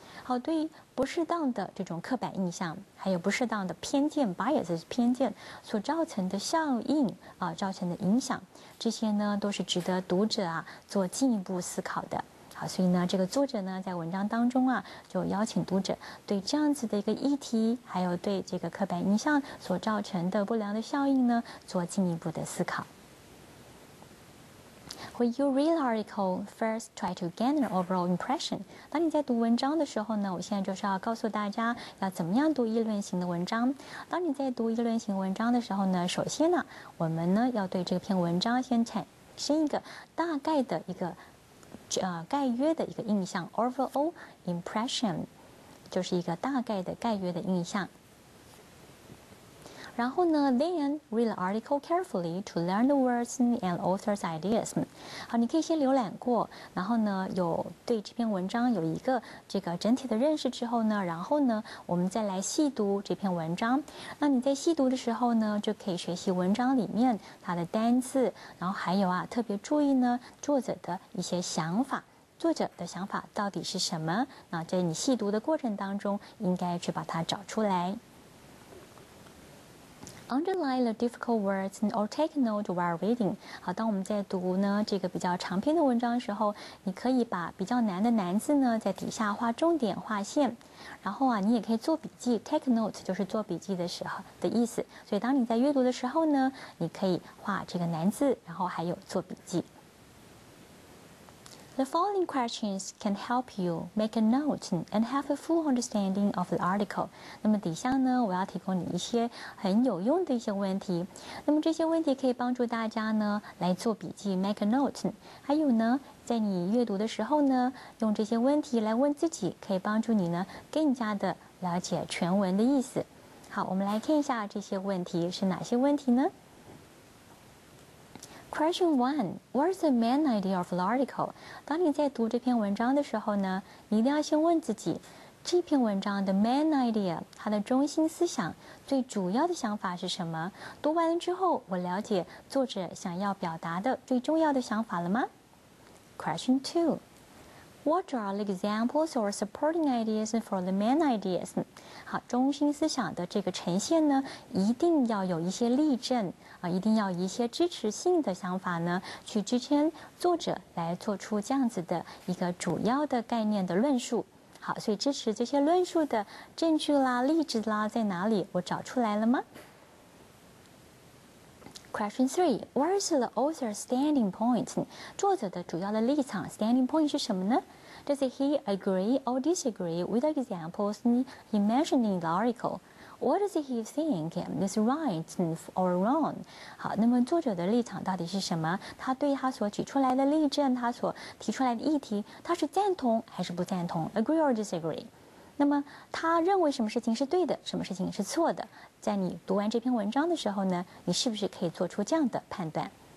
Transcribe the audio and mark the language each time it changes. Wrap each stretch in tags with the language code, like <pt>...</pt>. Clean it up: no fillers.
<zh>好，对不适当的这种刻板印象还有不适当的偏见 bias 偏见所造成的效应造成的影响，这些呢都是值得读者啊做进一步思考的。好，所以呢这个作者呢在文章当中啊就邀请读者对这样子的一个议题还有对这个刻板印象所造成的不良的效应呢做进一步的思考。</zh> <en>When you read the article, first try to gain an overall impression.</en> <zh>当你在读文章的时候呢，我现在就是要告诉大家要怎么样读议论型的文章。当你在读议论型文章的时候呢，首先呢，我们呢要对这篇文章先产生一个大概的一个概约的一个印象 ，overall impression， 就是一个大概的概约的印象。然后呢</zh> <en>，then read the article carefully to learn the words and author's ideas。</en> <zh>好，你可以先浏览过，然后呢，有对这篇文章有一个这个整体的认识之后呢，然后呢，我们再来细读这篇文章。那你在细读的时候呢，就可以学习文章里面它的单字，然后还有啊，特别注意呢，作者的一些想法，作者的想法到底是什么？那在你细读的过程当中，应该去把它找出来。</zh> <en>Underline the difficult words or take note while reading.</en> <zh>好，当我们在读呢这个比较长篇的文章的时候，你可以把比较难的难字呢在底下画重点划线，然后啊，你也可以做笔记。</zh> <en>Take note</en> <zh>就是做笔记的时候的意思。所以当你在阅读的时候呢，你可以画这个难字，然后还有做笔记。</zh> <en>The following questions can help you make a note and have a full understanding of the article.</en> <zh>那么底下呢，我要提供你一些很有用的一些问题。那么这些问题可以帮助大家呢来做笔记 ，</zh> <en>make a note。</en> <zh>还有呢，在你阅读的时候呢，用这些问题来问自己，可以帮助你呢更加的了解全文的意思。好，我们来看一下这些问题是哪些问题呢？</zh> <en>Question 1. What is the main idea of the article?</en> <zh>当你在读这篇文章的时候呢，你一定要先问自己，这篇文章的 main idea, 它的中心思想，最主要的想法是什么？读完了之后，我了解作者想要表达的最重要的想法了吗？</zh> <en>Question 2. What are the examples or supporting ideas for the main ideas?</en> <zh>好，中心思想的这个呈现呢，一定要有一些例证。一定要一些支持性的想法呢，去支撑作者来做出这样子的一个主要的概念的论述。好，所以支持这些论述的证据啦、例子啦，在哪里？我找出来了吗 ？</zh> <en>Question 3. What is the author's standing point?</en> <zh>作者的主要的立场</zh> <en>standing point</en> <zh>是什么呢？</zh> <en>Does he agree or disagree with the examples he mentioned in the article? What does he think is right or wrong?</en> <zh>好，那么作者的立场到底是什么？他对他所举出来的例证，他所提出来的议题，他是赞同还是不赞同 ？</zh> <en>Agree or disagree?</en> <zh>那么他认为什么事情是对的，什么事情是错的？在你读完这篇文章的时候呢，你是不是可以做出这样的判断？</zh>